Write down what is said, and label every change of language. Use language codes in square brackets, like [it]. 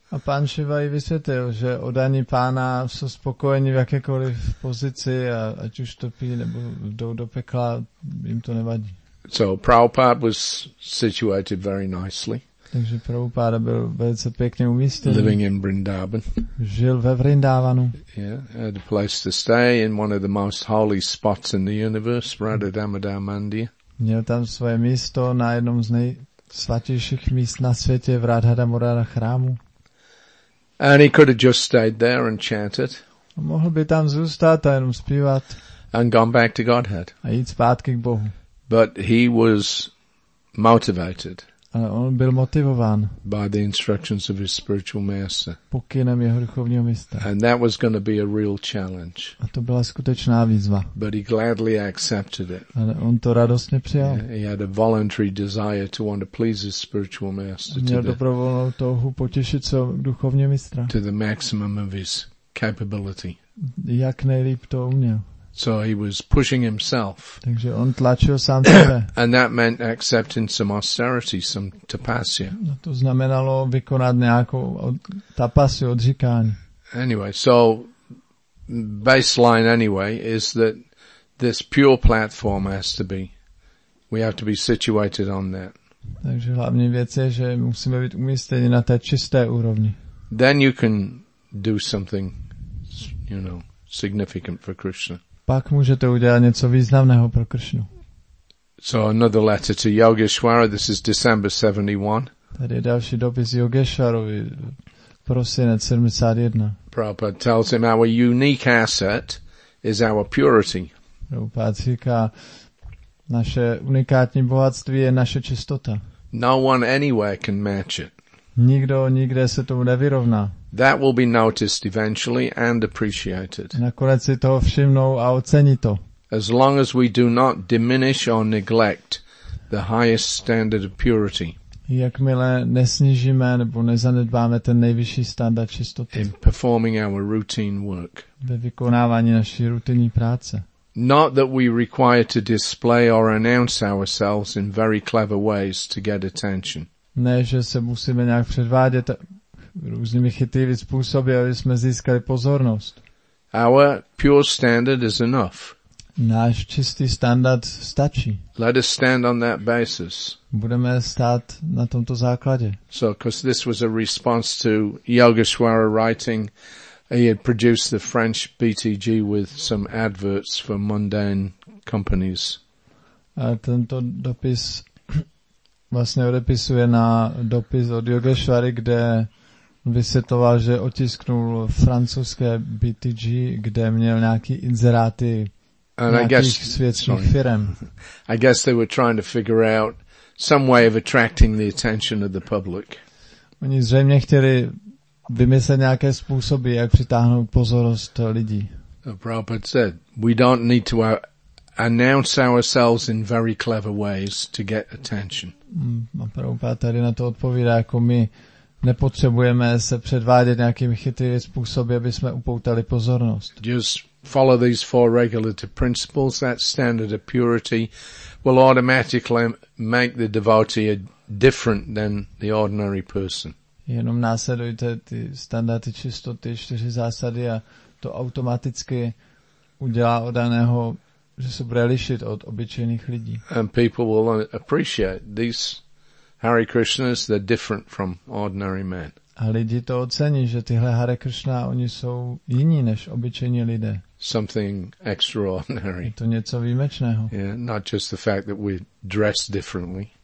[cs] A pán Šiva jí vysvětlil, že oddaní pána jsou spokojení v jakékoliv pozici, a ať už topí nebo jdou do pekla, jim to nevadí. [en] So Prabhupada was situated very nicely. [cs] Takže Prabhupada byl velice pěkně umístěný. [en] Living in Vrindavan. [cs] Žil ve Vrindavanu. [en] Yeah, had a place to stay in one of the most holy spots in the universe, Radha Damodar Mandir. [cs] Měl tam svoje místo na jednom z nejsvatějších míst na světě v Radha Damodar chrámu. [en] And he could have just stayed there and chanted. [cs] Mohl by tam zůstat a jenom zpívat. [en] And gone back to Godhead. [cs] A jít zpátky k Bohu. [en] But he was motivated. [cs] Ale on byl motivován. [en] By the instructions of his spiritual master. [cs] Pokynem jeho duchovního mistra. [en] And that was going to be a real challenge. [cs] A to byla skutečná výzva. [en] But he gladly accepted it. [cs] Ale on to radostně přijal. [en] He had a voluntary desire to want to please his spiritual master. [cs] Měl dobrovolnou touhu potěšit se duchovního mistra. [en] To the maximum of his capability. [cs] Jak nejlíp to uměl. [en] So he was pushing himself. [cs] Takže on tlačil sám sebe. [en] And that meant accepting some austerity, some tapasya. [cs] No to znamenalo vykonat nějakou tapasu, odříkání. [en] Anyway, so baseline anyway is that this pure platform has to be. We have to be situated on that. [cs] Takže hlavní věc je, že musíme být umístěni na té čisté úrovni. [en] Then you can do something, you know, significant for Krishna. [cs] Pak můžete udělat něco významného pro Kršnu. [en] So another letter to Yogeshwara. This is December 71. [cs] Tady je další dopis Yogeshwarovi, prosinec 71. [en] Prabhupada tells him our unique asset is our purity. [cs] Prabhupada říká, naše unikátní bohatství je naše čistota. [en] No one anywhere can match it. [cs] Nikdo nikde se tomu nevyrovná. [en] That will be noticed eventually and appreciated. [cs] Nakonec si toho všimnou a ocení to. [en] As long as we do not diminish or neglect the highest standard of purity. [cs] Jakmile nesnížíme nebo nezanedbáme ten nejvyšší standard čistoty. [en] In performing our routine work. [cs] Ve vykonávání naší rutinní práce. [en] Not that we require to display or announce ourselves in very clever ways to get attention. [cs] Ne, že se musíme nějak předvádět různými chytrými způsoby, aby jsme získali pozornost. [en] Our pure standard is enough. [cs] Náš čistý standard stačí. [en] Let us stand on that basis. [cs] Budeme stát na tomto základě. [en] So, because this was a response to Yogeshwara writing, he had produced the French BTG with some adverts for mundane companies. [cs] A tento dopis vlastně odepisuje na dopis od Yogeshwary, kde vysvětloval, že otisknul francouzské BTG, kde měl nějaký inzeráty nějakých světských firem. [en] I guess they were trying to figure out some way of attracting the attention of the public. [cs] Oni zřejmě chtěli vymyslet nějaké způsoby, jak přitáhnout pozornost lidí. [en] The Prabhupada said, we don't need to announce ourselves in very clever ways to get attention. [cs] A Prabhupada tady na to odpovídá, jako my nepotřebujeme se předvádět nějakými chytrými způsoby, aby jsme upoutali pozornost. [en] Just follow these four regulative principles, that standard of purity will automatically make the devotee different than the ordinary person. [cs] Jenom následujte ty standardy čistoty, čtyři zásady a to automaticky udělá od daného, že se bude lišit od obyčejných lidí. [en] And people will appreciate these Hare Krishnas, they're different from ordinary men. [cs] A lidi to ocení, že tyhle Hare Krishna, oni jsou jiní než obyčejní lidé. [en] Something extraordinary. [cs] Je to něco výjimečného. [en] Yeah, not just the fact that we dress differently.